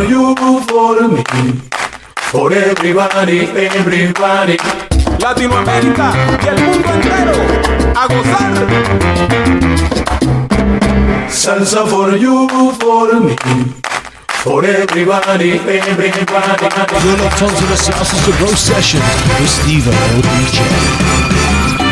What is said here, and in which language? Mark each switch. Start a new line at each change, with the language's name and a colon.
English: For you, for me, for everybody.
Spanish: Latinoamérica y el mundo entero a gozar.
English: Salsa for you, for me, for everybody. You're locked onto the SalsaSabro Sessions with Steve O'DJ.